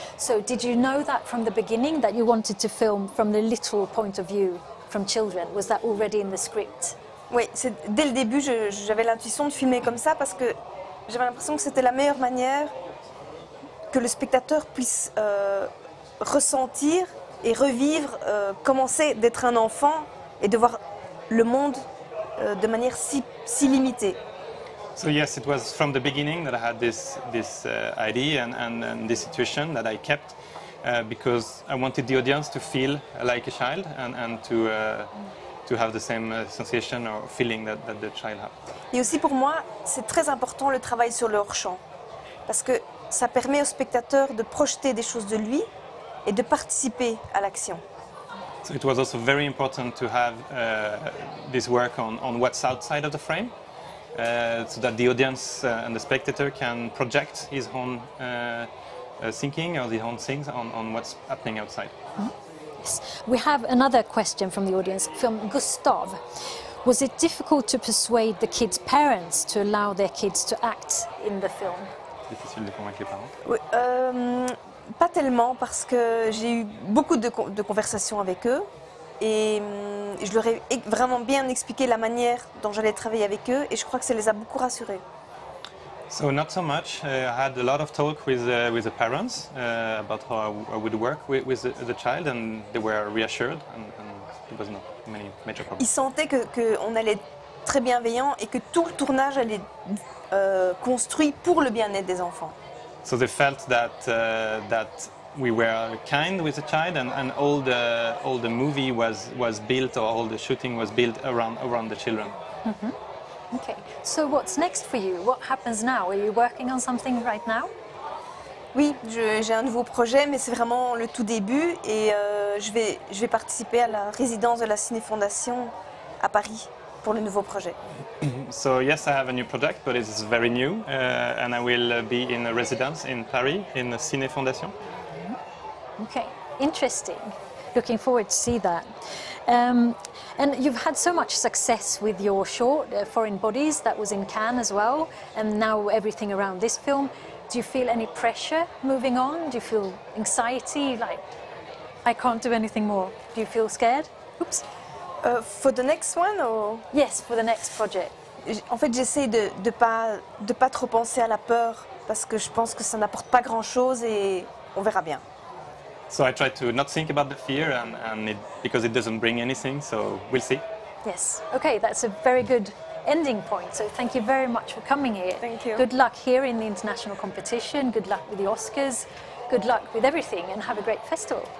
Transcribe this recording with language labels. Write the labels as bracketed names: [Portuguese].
[English] So did you know that from the beginning that you wanted to film from the literal point of view from children? Was that already in the script? [French] Oui, dès le début, j'avais l'intuition de filmer comme ça parce que j'avais l'impression que c'était la meilleure manière que le spectateur puisse ressentir et revivre, commencer d'être un enfant et de voir le monde de manière si limitée. [English] So yes, it was from the beginning that I had this idea and this situation that I kept because I wanted the audience to feel like a child and to have the same sensation or feeling that the child had. [French] Et aussi pour moi, c'est très important le travail sur le hors-champ parce que ça permet au spectateur de projeter des choses de lui et de participer à l'action. [English] So it was also very important to have this work on what's outside of the frame so that the audience and the spectator can project his own thinking or his own things on what's happening outside. Yes. We have another question from the audience from Gustav. Was it difficult to persuade the kids' parents to allow their kids to act in the film? [French] Difficile de convaincre les parents? Pas tellement, parce que j'ai eu beaucoup de conversations avec eux et je leur ai vraiment bien expliqué la manière dont j'allais travailler avec eux et je crois que ça les a beaucoup rassurés. [English] So not so much. I had a lot of talk with the parents about how I would work with the child and they were reassured and there was not many major problems. [French] Ils sentaient que on allait être très bienveillant et que tout le tournage allait construit pour le bien-être des enfants. [English] So they felt that we were kind with the child, and all the movie was built, or all the shooting was built around the children. Mm-hmm. Okay, so what's next for you? What happens now? Are you working on something right now? [French] Oui, j'ai un nouveau projet, mais c'est vraiment le tout début, et je vais participer à la résidence de la Ciné Fondation à Paris pour le nouveau projet. [English] So yes, I have a new project, but it's very new, and I will be in a residence in Paris in the Ciné Fondation. Okay, interesting. Looking forward to see that. And you've had so much success with your short Foreign Bodies that was in Cannes as well, and now everything around this film. Do you feel any pressure moving on? Do you feel anxiety, like, I can't do anything more? Do you feel scared? Oops. For the next one, or? Yes, for the next project. [French] En fait, j'essaie de pas trop penser à la peur, parce que je pense que ça n'apporte pas grand-chose, et on verra bien. [English] So I try to not think about the fear, and it, because it doesn't bring anything, so we'll see. Yes, okay, that's a very good ending point, so thank you very much for coming here. Thank you. Good luck here in the international competition, good luck with the Oscars, good luck with everything, and have a great festival.